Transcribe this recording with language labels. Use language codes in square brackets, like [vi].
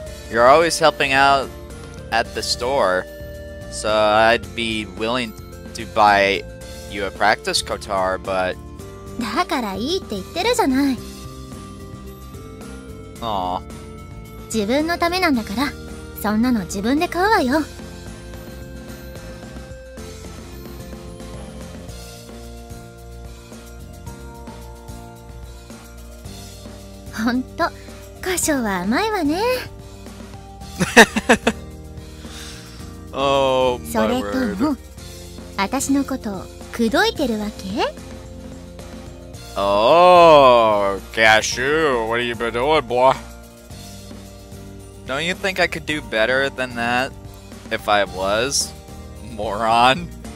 [en] You're always helping out at the store, so I'd be willingTo buy you a practice guitar, but. [ja] だからいいって言ってるじゃない。ああ。自分のためなんだから、そんなの自分で買うわよ。ほんと、歌唱は甘いわね。 [en] Oh, my word. [ja] それとも。私のことをくどいてるわけ [en] Oh, Cashew, what have you been doing, boy? Don't you think I could do better than that if I was, moron?